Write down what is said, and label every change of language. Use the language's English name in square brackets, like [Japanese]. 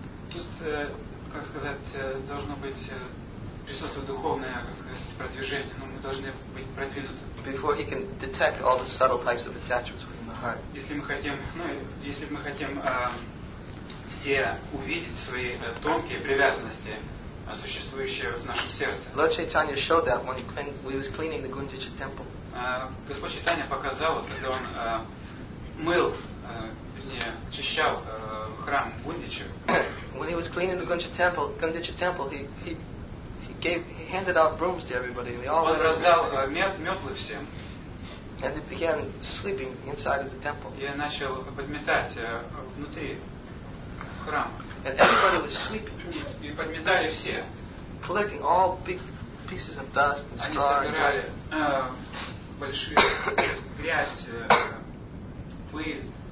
[Russian] Тут, как сказать, должно быть присутствие духовное, как сказать, продвижение. Мы должны быть продвинуты. [English] Before he can detect all the subtle types of attachments within the heart. [Russian] Если мы хотим все увидеть свои тонкие привязанности, существующие в нашем сердце. [English] Lord Chaitanya showed that when he was cleaning the Gundicha temple. [Russian] Господь Чайтанья показал, когда он мыл. Чищал храм Гундича. [English] When he was cleaning the Gundicha temple, he handed out brooms to everybody. They all [Russian] он раздал метлы всем. [English] And he began sweeping inside of the temple. [Russian] И начал подметать внутри храм. [English] And everybody was sweeping. [Russian] И подметали все. [English] Collecting all big pieces of dust and straw. [Russian] Они собирали большую грязь, пыль.